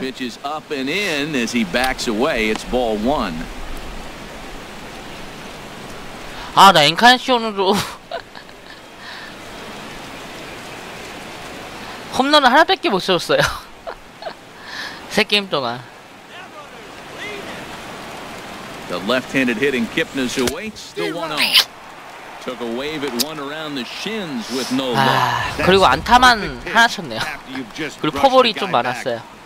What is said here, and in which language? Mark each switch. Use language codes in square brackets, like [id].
[en] This pitch is up and in as he backs away. It's ball one. [ko] 아, 나 엔카네시온으로 홈런을 하나밖에 못 쳤어요. 세 게임 동안. [en] The left-handed hitting Kipnis awaits the 1-0. Took a wave at one around the shins with no luck. [ko] 아, 그리고 안타만 하나 쳤네요. 그리고 포볼이 좀 많았어요.